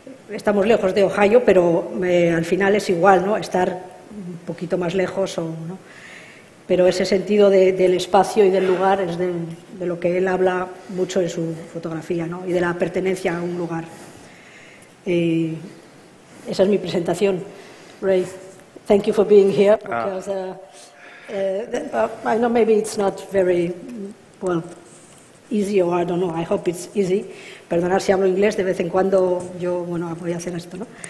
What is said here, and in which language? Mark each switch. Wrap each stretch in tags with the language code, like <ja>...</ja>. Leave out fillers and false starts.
<es>Estamos lejos de Ohio, pero al final es igual, ¿no?, estar un poquito más lejos o, ¿no?, pero ese sentido del espacio y del lugar es de lo que él habla mucho en su fotografía, ¿no?, y de la pertenencia a un lugar. Esa es mi presentación.</es> <en>Ray, thank you for being here, because I know maybe it's not very well easy, or I don't know, I hope it's easy.</en> <es>Perdonad si hablo inglés, de vez en cuando yo, bueno, voy a hacer esto, ¿no?</es>